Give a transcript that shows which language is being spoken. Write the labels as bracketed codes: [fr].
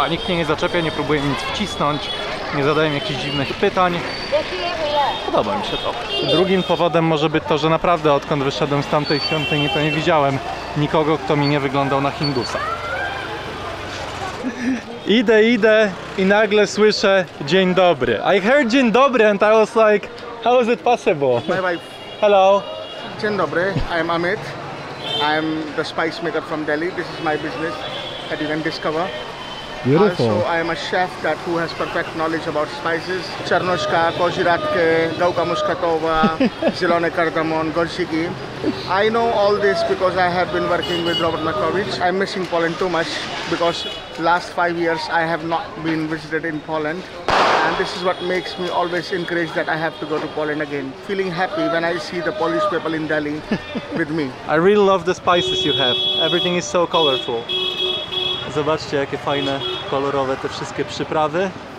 [pl] A nikt mnie nie zaczepia, nie próbuje nic wcisnąć, nie zadaje mi jakichś dziwnych pytań. Podoba mi się to. Drugim powodem może być to, że naprawdę odkąd wyszedłem z tamtej świątyni, to nie widziałem nikogo, kto mi nie wyglądał na Hindusa. Idę i nagle słyszę dzień dobry. [en] I heard [pl] dzień dobry [en] and I was like, how is it possible? My wife. Hello. [pl] Dzień dobry, [en] I'm Amit. I'm the spice maker from Delhi. This is my business that you can discover. Beautiful. Also, I am a chef that who has perfect knowledge about spices. Charnoshka, Kojiratke, Gauka Muskatova, Zilone Kardamon, Gorshiki. I know all this because I have been working with Robert Makovic. I'm missing Poland too much because last 5 years I have not been visited in Poland. And this is what makes me always encourage that I have to go to Poland again. Feeling happy when I see the Polish people in Delhi with me. I really love the spices you have. Everything is so colorful. [pl] Zobaczcie, jakie fajne, kolorowe te wszystkie przyprawy.